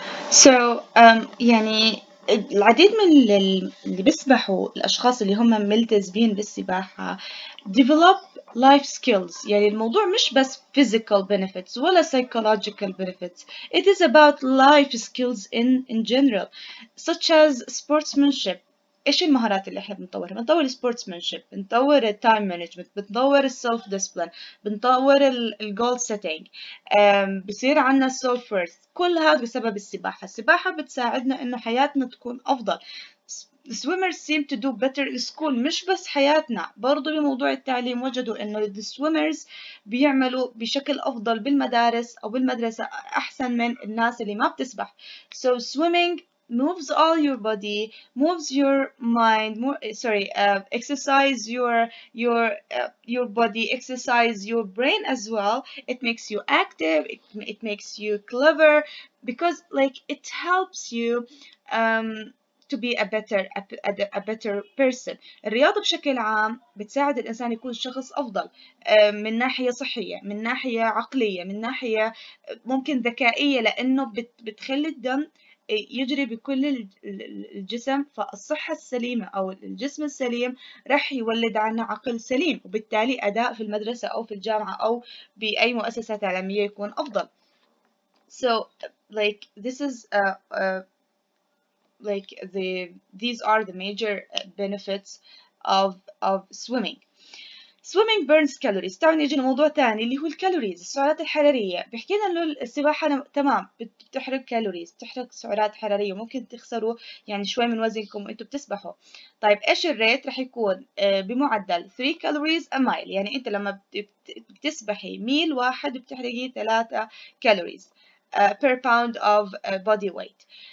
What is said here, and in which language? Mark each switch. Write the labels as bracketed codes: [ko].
[ar] So يعني العديد من اللي بيسبحوا الأشخاص اللي هم ملتزمين بالسباحة [en] develop life skills. [ar] يعني الموضوع مش بس [en] physical benefits [ar] ولا [en] psychological benefits. It is about life skills in general, such as sportsmanship. [ar] إيش المهارات اللي إحنا بنطورها؟ بنطور sportsmanship, بنطور [en] time management, [ar] بنطور [en] self discipline, [ar] بنطور ال [en] goal setting. [ar] بصير عنا self worth. كل هذا بسبب السباحة. السباحة بتساعدنا إنه حياتنا تكون أفضل. [en] Swimmers seem to do better in school. [ar] مش بس حياتنا، برضو بموضوع التعليم وجدوا إنه [en] the swimmers [ar] بيعملوا بشكل أفضل بالمدارس أو بالمدرسة أحسن من الناس اللي ما بتسبح. [en] So swimming moves all your body, moves your mind. Exercise your body, exercise your brain as well. It makes you active. It makes you clever because like it helps you. To be a better person. [ar] الرياضة بشكل عام بتساعد الإنسان يكون شخص أفضل من ناحية صحية، من ناحية عقلية، من ناحية ممكن ذكائية، لأنه بتخلي الدم يجري بكل الجسم، فالصحة السليمة أو الجسم السليم رح يولد عنا عقل سليم، وبالتالي أداء في المدرسة أو في الجامعة أو بأي مؤسسة تعليمية يكون أفضل. [en] So like this is like these are the major benefits of swimming. Swimming burns calories. [ar] تعالوا نيجي لموضوع ثاني اللي هو الكالوريز، السعرات الحرارية. بحكي لنا انه السباحة تمام بتحرق كالوريز، بتحرق سعرات حرارية، ممكن تخسروا يعني شوي من وزنكم وانتم بتسبحوا. طيب ايش الريت؟ رح يكون بمعدل 3 [en] calories a mile، [ar] يعني انت لما بتسبحي ميل واحد بتحرقي 3 [en] calories per pound of body weight.